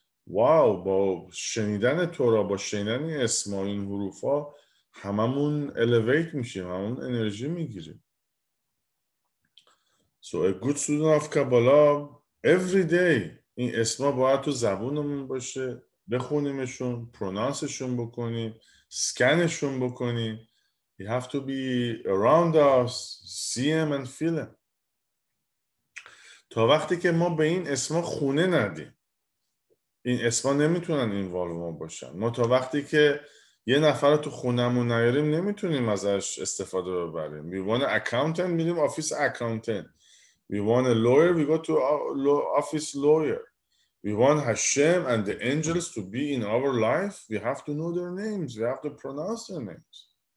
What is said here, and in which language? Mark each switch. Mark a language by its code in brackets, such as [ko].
[fa] واو، با شنیدن تورا، با شنیدن این اسما، این حروفا، هممون elevate میشیم، هممون انرژی میگیریم. [en] So a good student of Kabbalah every day. [fa] این اسما باید تو زبونمون باشه، بخونیمشون، پرونانسشون بکنیم، سکنشون بکنیم. [en] You have to be around us, see them and feel them. [fa] تا وقتی که ما به این اسما خونه ندیم، این اسما نمیتونن اینوالو ما باشن. ما تا وقتی که یه نفر تو خونمون نیاریم، نمیتونیم ازش استفاده ببریم. [en] We want accountant، [fa] میریم آفیس accountant. [en] We want a lawyer, we go to our office lawyer. We want Hashem and the angels to be in our life, we have to know their names, we have to pronounce their names.